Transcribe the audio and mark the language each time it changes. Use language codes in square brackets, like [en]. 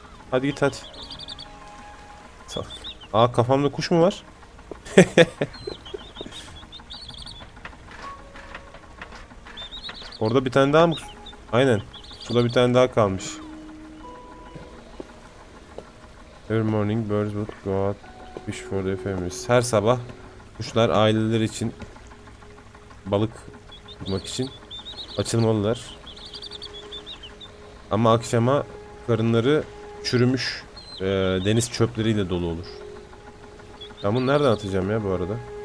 [tr] Hadi git hadi. Aa kafamda kuş mu var? Orada bir tane daha mı? Aynen. Şurada bir tane daha kalmış. [en] Every morning birds would go out fish for their families. [tr] Her sabah kuşlar aileleri için balık bulmak için açılmalılar. Ama akşama karınları çürümüş deniz çöpleriyle dolu olur. Ben bunu nereden atacağım ya bu arada?